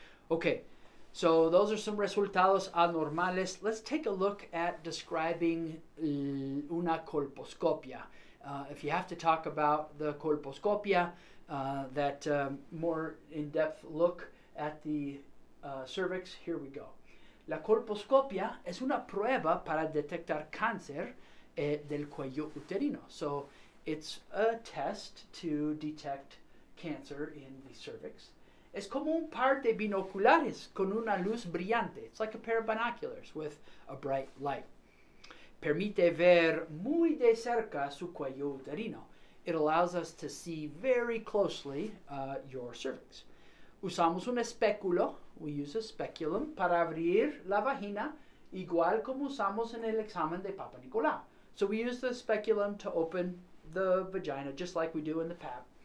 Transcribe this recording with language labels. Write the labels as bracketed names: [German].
[English] Okay, so those are some resultados anormales. Let's take a look at describing una colposcopia. If you have to talk about the colposcopia, that more in-depth look at the cervix, here we go. [Spanish] La colposcopia es una prueba para detectar cáncer del cuello uterino. [English] So it's a test to detect cancer in the cervix. [Spanish] Es como un par de binoculares con una luz brillante. [English] It's like a pair of binoculars with a bright light. [Spanish] Permite ver muy de cerca su cuello uterino. [English] It allows us to see very closely your cervix. [Spanish] Usamos un espéculo. [English] We use a speculum [Spanish] para abrir la vagina, igual como usamos en el examen de Papa Nicolau. [English] So we use the speculum to open the vagina, just like we do in the Pap.